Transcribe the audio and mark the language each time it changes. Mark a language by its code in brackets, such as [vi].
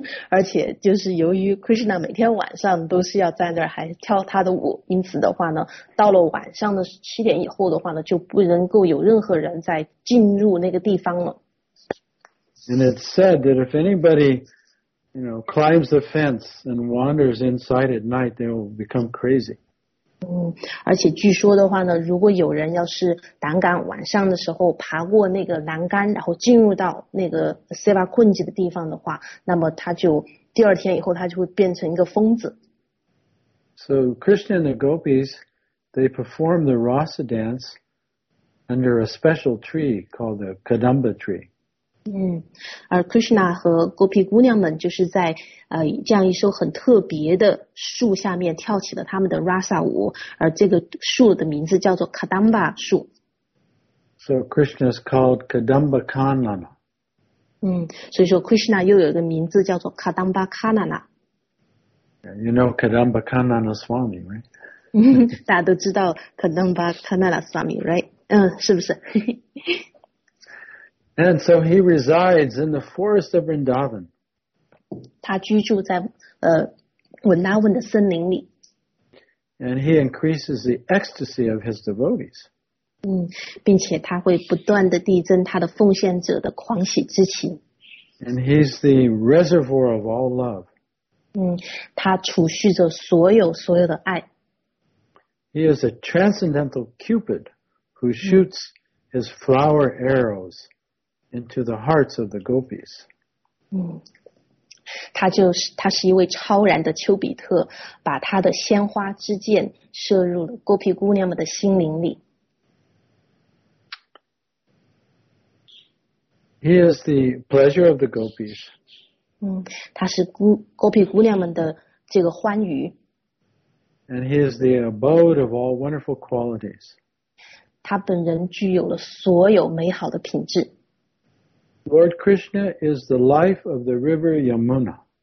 [zh] 而且就是由于 Krishna 每天晚上都是要在那儿还跳他的舞，因此的话呢，到了晚上的七点以后的话呢，就不能够有任何人再进入那个地方了。 [en] And it's said that if anybody, you know, climbs the fence and wanders inside at night, they will become crazy. [zh] 而且据说的话呢，如果有人要是胆敢晚上的时候爬过那个栏杆，然后进入到那个 Sevakunj 的地方的话，那么他就第二天以后他就会变成一个疯子。 [en] So Krishna and the gopis, they perform the rasa dance under a special tree called the Kadamba tree. [zh] 而 Krishna 和 gopi 姑娘们就是在这样一艘很特别的树下面跳起了他们的 rasa 舞，而这个树的名字叫做 Kadamba 树。 [en] So Krishna is called Kadamba Kanana. [zh] 所以说 Krishna 又有一个名字叫做 Kadamba Kanana. [en] You know Kadamba Kanana Swami, right? [zh] 大家都知道 Kadamba Kanana Swami, right? 是不是？ [en] And so he resides in the forest of Vrindavan. [zh] 他居住在Vrindavan 的森林里。 [en] And he increases the ecstasy of his devotees. [zh] 并且他会不断地递增他的奉献者的狂喜之情。 [en] And he's the reservoir of all love. [zh] 他储蓄着所有的爱。 [en] He is a transcendental cupid who shoots his flower arrows into the hearts of the gopis. [zh] 他是一位超然的丘比特，把他的鲜花之箭射入了 gopi 姑娘们的心灵里。 [en] He is the pleasure of the gopis. [zh] 他是 gopi 姑娘们的这个欢愉。 [en] And he is the abode of all wonderful qualities. [zh] 他本人具有了所有美好的品质。 [en] Lord Krishna is the life of the river Yamuna.